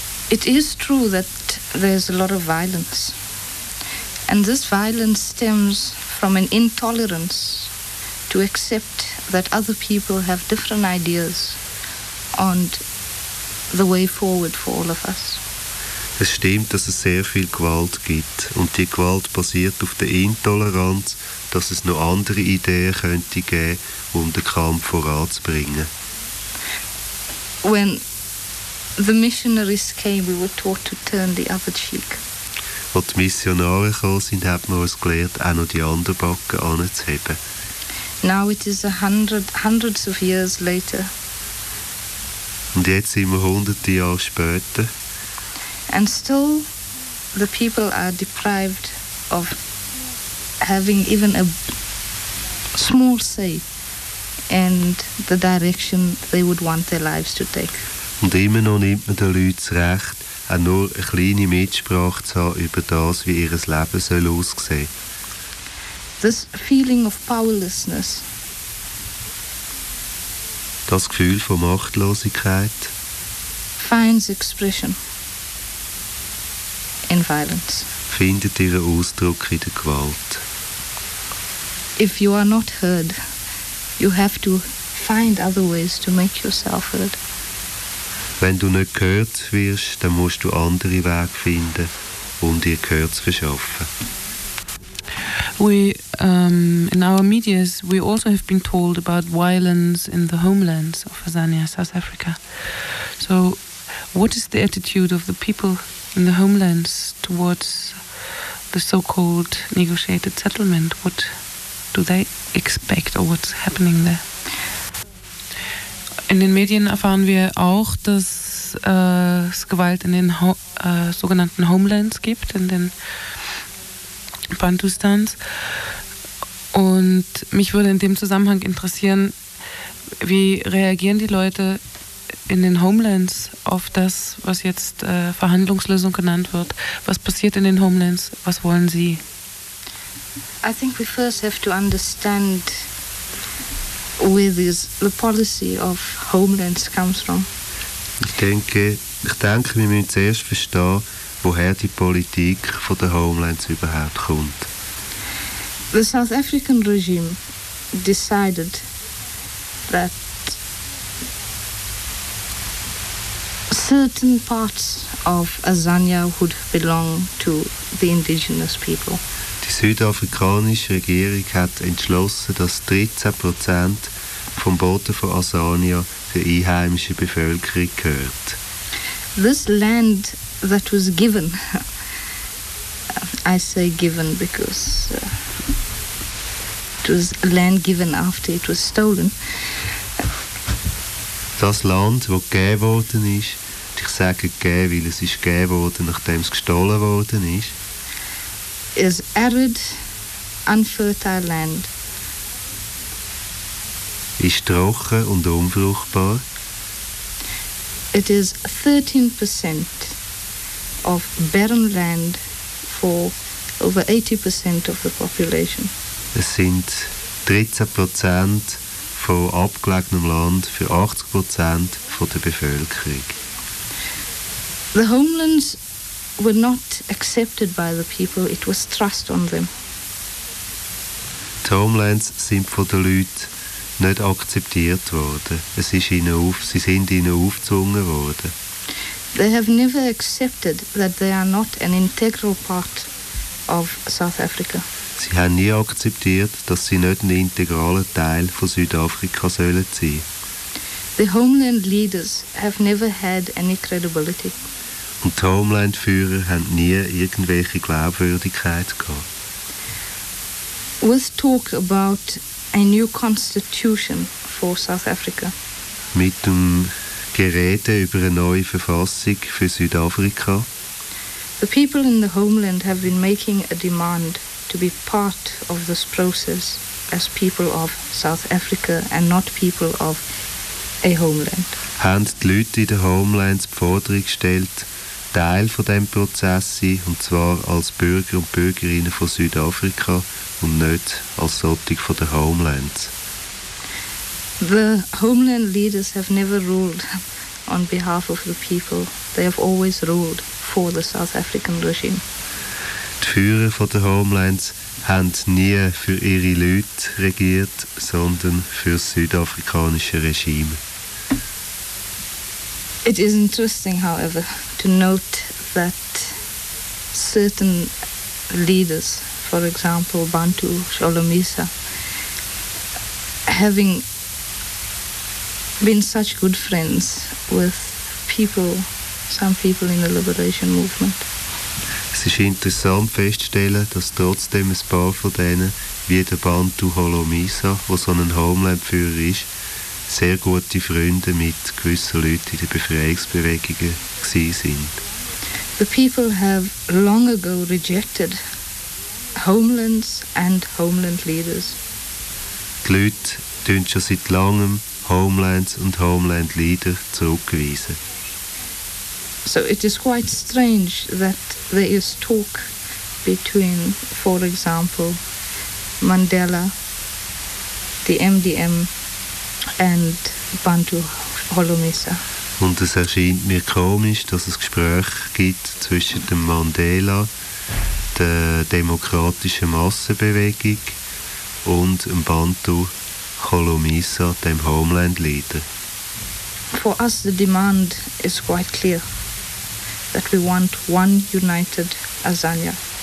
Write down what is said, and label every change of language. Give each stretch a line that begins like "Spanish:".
English: It is true that there's a lot of violence. And this violence stems from an intolerance to accept that other people have different ideas on the way forward for all of us.
German: Es stimmt, dass es sehr viel Gewalt gibt. Und die Gewalt basiert auf der Intoleranz, dass es noch andere Ideen könnte geben, um den Kampf voranzubringen.
English: When the missionaries came, we were taught to turn the other cheek.
German: Als die Missionare gekommen sind, hat man uns gelernt, auch noch die andere Backe anzuheben.
English: Now it is hundreds of years later.
German: Und jetzt sind wir hunderte Jahre später.
English: And still the people are deprived of having even a small say and the direction they would want their lives to take.
German: Und immer noch nimmt man den Leuten das Recht, auch nur eine kleine Mitsprache zu haben über das, wie ihr Leben soll aussehen soll.
English: This feeling of powerlessness.
German: Das Gefühl von Machtlosigkeit.
English: Finds expression in violence.
German: Findet ihren Ausdruck in der Gewalt.
English: If you are not heard, you have to find other ways to make yourself heard.
German: Wenn du nicht gehört wirst, dann musst du andere Wege finden, um dir Gehör zu verschaffen.
English: We, in our medias, we also have been told about violence in the homelands of Azania, South Africa. So what is the attitude of the people in the homelands towards the so-called negotiated settlement? What do they expect or what's happening there?
German: In den Medien erfahren wir auch, dass es Gewalt in den sogenannten Homelands gibt, in den Bantustans. Und mich würde in dem Zusammenhang interessieren, wie reagieren die Leute in den Homelands auf das, was jetzt Verhandlungslösung genannt wird? Was passiert in den Homelands? Was wollen sie?
English: I think we first have to understand where this, the policy of homelands comes from.
German: Ich denke, wir müssen zuerst verstehen, woher die Politik von den Homelands überhaupt kommt.
English: The South African regime decided that certain parts of Azania would belong to the indigenous people.
German: Die südafrikanische Regierung hat entschlossen, dass 13% vom Boden von Azania der einheimischen Bevölkerung gehört.
English: This land that was given, I say given because it was land given after it was stolen.
German: Das Land, das gegeben worden ist, ich sage gegeben, weil es ist gegeben worden, nachdem es gestohlen worden ist,
English: is arid, unfertile land.
German: Ist trocken und unfruchtbar.
English: It is 13% of barren land for over 80% of the population.
German: Es sind 13% von abgelegenem Land für 80% von der Bevölkerung.
English: The homelands were not accepted by the people. It was thrust on them.
German: Die Homelands sind von den Leuten nicht akzeptiert worden. Es ist ihnen auf, sie sind ihnen aufgezwungen worden.
English: They have never accepted that they are not an integral part of South Africa.
German: Sie haben nie akzeptiert, dass sie nicht ein integraler Teil von Südafrika sollen sein.
English: The homeland leaders have never had any credibility.
German: Und die Homeland-Führer haben nie irgendwelche Glaubwürdigkeit gehabt.
English: With talk about a new constitution for South Africa.
German: Mit dem Gerede über eine neue Verfassung für Südafrika.
English: The people in the homeland have been making a demand to be part of this process as people of South Africa and not people of a homeland.
German: Haben die Leute in den Homelands die Forderung gestellt, Teil von dem Prozess sein, und zwar als Bürger und Bürgerinnen von Südafrika und nicht als solche von den Homelands.
English: The homeland leaders have never ruled on behalf of the people. They have always ruled for the South African regime.
German: Die Führer von den Homelands haben nie für ihre Leute regiert, sondern für das südafrikanische Regime.
English: It is interesting, however, to note that certain leaders, for example, Bantu Sholomisa, having been such good friends with people, some people in the liberation movement.
German: Es ist interessant festzustellen, dass trotzdem ein paar von denen, wie der Bantu Sholomisa, wo so ein Homeland-Führer ist, sehr gute Freunde mit gewissen Leuten in den Befreiungsbewegungen gewesen sind.
English: The people have long ago rejected homelands and homeland leaders.
German: Die Leute tun schon seit langem Homelands und Homeland Leader zurückgewiesen.
English: So it is quite strange that there is talk between, for example, Mandela, the MDM, and Bantu Sholomisa.
German: Und es erscheint mir komisch, dass es Gespräche gibt zwischen dem Mandela, der demokratischen Massenbewegung, und dem Bantu Sholomisa, dem Homeland-Leader.
English: For us the demand is quite clear, that we want one united Azania.